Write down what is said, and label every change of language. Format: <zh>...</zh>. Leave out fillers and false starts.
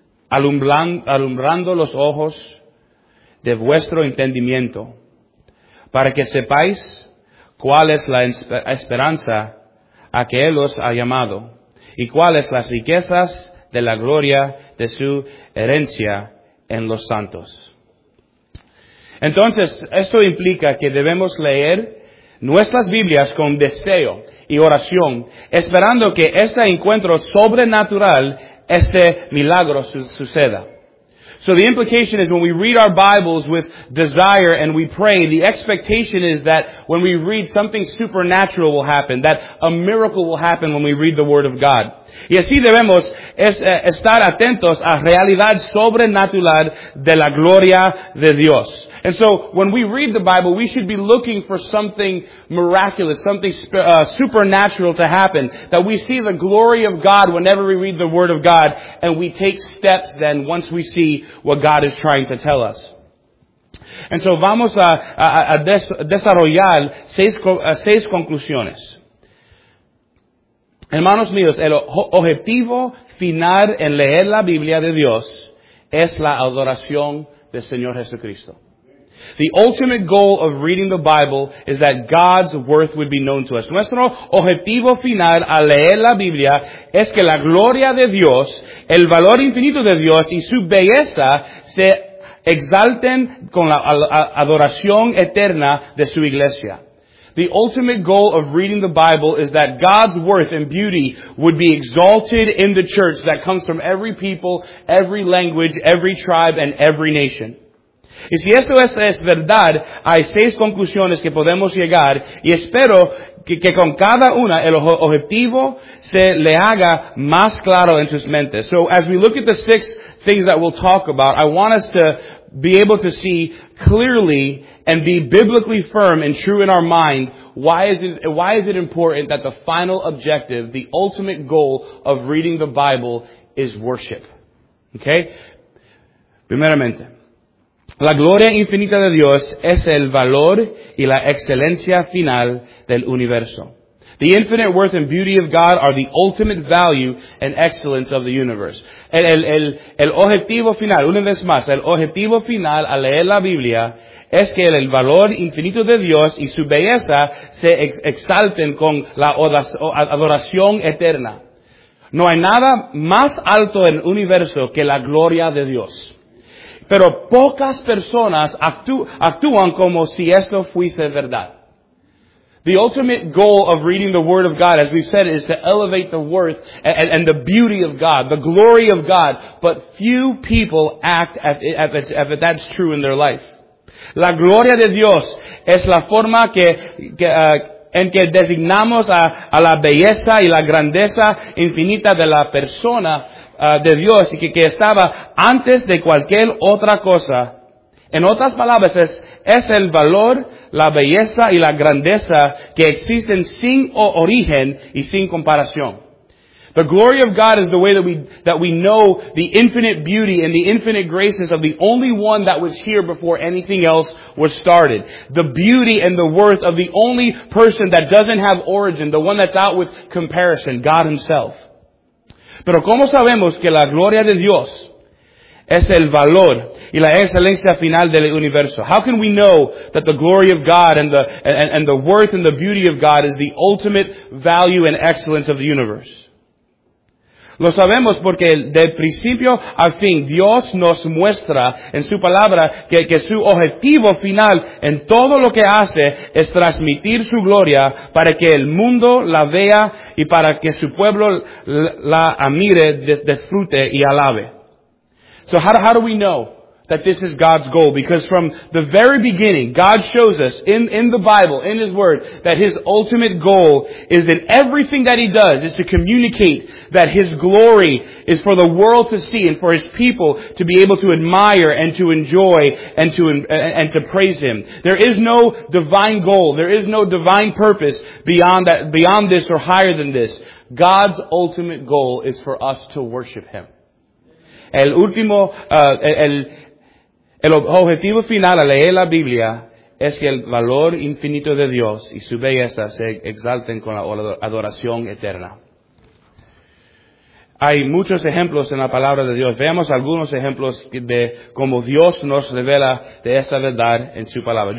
<es>Alumbrando los ojos de vuestro entendimiento para que sepáis cuál es la esperanza a que Él os ha llamado y cuáles las riquezas de la gloria de su herencia en los santos. Entonces, esto implica que debemos leer nuestras Biblias con deseo y oración, esperando que este encuentro sobrenatural, este milagro suceda.</es> <en>So the implication is when we read our Bibles with desire and we pray, the expectation is that when we read, something supernatural will happen, that a miracle will happen when we read the Word of God.</en> <es>Y así debemos estar atentos a realidad sobrenatural de la gloria de Dios.</es> <en>And so when we read the Bible, we should be looking for something miraculous, something supernatural to happen, that we see the glory of God whenever we read the Word of God, and we take steps then once we see what God is trying to tell us. And so</en> <es>vamos a desarrollar seis conclusiones. Hermanos míos, el objetivo final en leer la Biblia de Dios es la adoración del Señor Jesucristo.</es> <en>The ultimate goal of reading the Bible is that God's worth would be known to us.</en> <es>Nuestro objetivo final al leer la Biblia es que la gloria de Dios, el valor infinito de Dios y su belleza se exalten con la adoración eterna de su iglesia.</es> <en>The ultimate goal of reading the Bible is that God's worth and beauty would be exalted in the church that comes from every people, every language, every tribe, and every nation.</en> <es>Y si esto es verdad, hay seis conclusiones que podemos llegar, y espero que con cada una el objetivo se le haga más claro en sus mentes.</es> <en>So as we look at the six things that we'll talk about, I want us to be able to see clearly and be biblically firm and true in our mind. Why is it important that the final objective, the ultimate goal of reading the Bible is worship? Okay?</en> <es>Primeramente, la gloria infinita de Dios es el valor y la excelencia final del universo.</es> <en>The infinite worth and beauty of God are the ultimate value and excellence of the universe.</en> <es>El objetivo final, una vez más, el objetivo final al leer la Biblia es que el valor infinito de Dios y su belleza se exalten con la adoración eterna. No hay nada más alto en el universo que la gloria de Dios. Pero pocas personas actúan como si esto fuese verdad.</es> <en>The ultimate goal of reading the Word of God, as we've said, is to elevate the worth and the beauty of God, the glory of God. But few people act as if that's true in their life.</en> <es>La gloria de Dios es la forma en que designamos a la belleza y la grandeza infinita de la persona de Dios y que estaba antes de cualquier otra cosa. En otras palabras, es el valor, la belleza y la grandeza que existen sin origen y sin comparación.</es> <en>The glory of God is the way that we know the infinite beauty and the infinite graces of the only one that was here before anything else was started. The beauty and the worth of the only person that doesn't have origin, the one that's out with comparison, God Himself.</en> <es>Pero ¿cómo sabemos que la gloria de Dios es el valor y la excelencia final del universo?</es> <en>How can we know that the glory of God and the worth and the beauty of God is the ultimate value and excellence of the universe?</en> <es>Lo sabemos porque de principio al fin Dios nos muestra en su palabra que su objetivo final en todo lo que hace es transmitir su gloria para que el mundo la vea y para que su pueblo la admire, disfrute y alabe.</es> <en>So how do we know that this is God's goal? Because from the very beginning, God shows us in the Bible, in His Word, that His ultimate goal is in everything that He does is to communicate that His glory is for the world to see and for His people to be able to admire and to enjoy and to praise Him. There is no divine goal. There is no divine purpose beyond that, beyond this or higher than this. God's ultimate goal is for us to worship Him.</en> <es>El objetivo final al leer la Biblia es que el valor infinito de Dios y su belleza se exalten con la adoración eterna. Hay muchos ejemplos en la palabra de Dios. Veamos algunos ejemplos de cómo Dios nos revela de esta verdad en su palabra.</es>